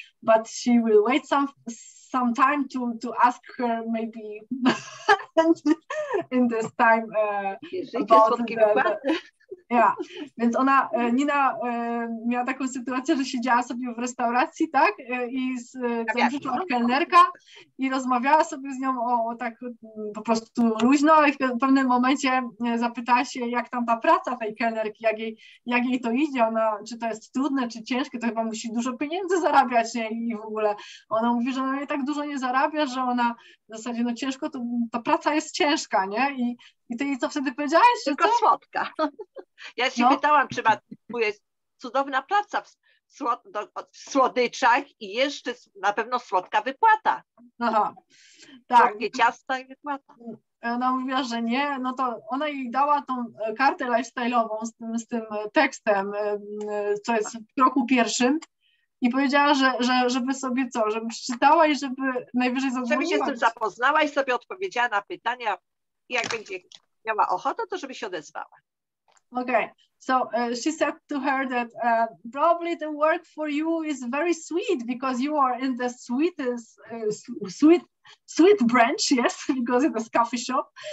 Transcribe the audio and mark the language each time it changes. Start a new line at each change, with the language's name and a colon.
English: But she will wait some time to ask her maybe in this time about yeah.
Polish: Więc ona, Nina miała taką sytuację, że siedziała sobie w restauracji, tak? I z zamówiła kelnerka i rozmawiała sobie z nią o tak po prostu luźno i w pewnym momencie zapytała się, jak tam ta praca tej kelnerki, jak jej to idzie, ona, czy to jest trudne, czy ciężkie, to chyba musi dużo pieniędzy zarabiać, nie? I w ogóle ona mówi, że ona jej tak dużo nie zarabia, że ona w zasadzie, no ciężko, to ta praca jest ciężka, nie? I ty jej co wtedy powiedziałeś? Tylko co? Słodka. Ja się pytałam, czy ma, bo jest cudowna praca w słodyczach i jeszcze na pewno słodka wypłata. Aha. Tak. Słodkie ciasta i wypłata. Ona mówiła, że nie, no to ona jej dała tą kartę lifestyle'ową z tym tekstem, co jest w kroku pierwszym. I powiedziała, że żeby sobie co, żeby przeczytała i żeby najwyżej zadzwoniła. Żeby się z tym zapoznała i sobie odpowiedziała na pytania. Jak będzie miała ochotę, to żeby się odezwała.
English: Okay, so she said to her that probably the work for you is very sweet because you are in the sweetest sweet branch, yes, because it's a coffee shop.